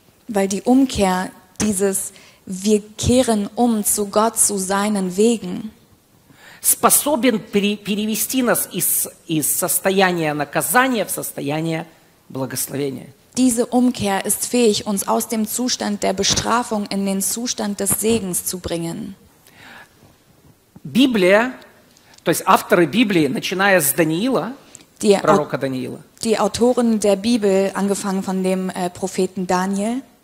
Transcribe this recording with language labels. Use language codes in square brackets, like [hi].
[de] Weil die Umkehr, dieses wir kehren um zu Gott, zu seinen Wegen, [ru] способен перевести нас из состояния наказания в состояние благословения. [de] Diese Umkehr ist fähig, uns aus dem Zustand der Bestrafung in den Zustand des Segens zu bringen. [ru] Библия, то есть авторы Библии, начиная с Даниила, пророка Даниила. [de] Die Autoren der Bibel, angefangen von dem Propheten Daniel,